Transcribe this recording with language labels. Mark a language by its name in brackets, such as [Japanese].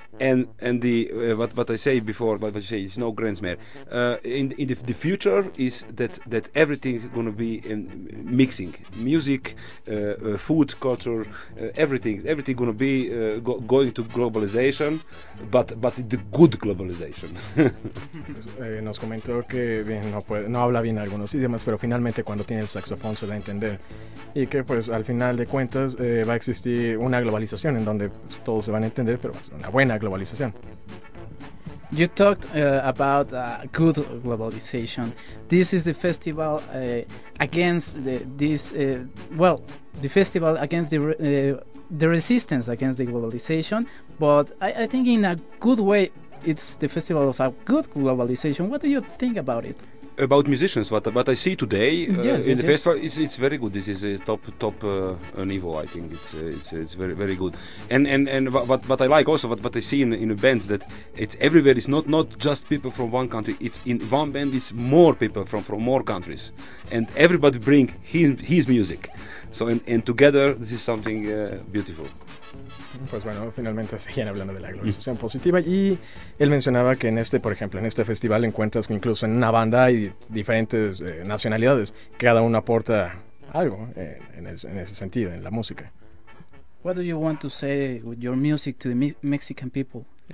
[English] And the what I say before, what you say is no grands mare. In the future is that everything gonna be in mixing music, food, culture. Everything gonna be going to globalization, but the good globalization. [Spanish] Nos comentó que bien, no habla bien algunos idiomas, pero finalmente cuando tiene el saxofón se da a entender, y que pues al final de cuentas va a existir una globalización en donde todos se van a entender, pero pues, una buena globalización. [English] You talked about good globalization. This is the festival against the festival against the resistance against the globalization. But I think in a good way, it's the festival of a good globalization. What do you think about it? About musicians, what I see today in the festival, it's very good. This is a top niveau, I think. It's very, very good. And what I like also, what I see in the bands, that it's everywhere. It's not just people from one country. It's in one band, it's more people from more countries, and everybody bring his music. So and together, this is something beautiful. [Spanish] Pues bueno, finalmente seguían hablando de la globalización positiva, y él mencionaba que en este, por ejemplo, en este festival encuentras que incluso en una banda hay diferentes nacionalidades, cada uno aporta algo en ese sentido, en la música. [English] What do you want to say with your music to the Mexican people?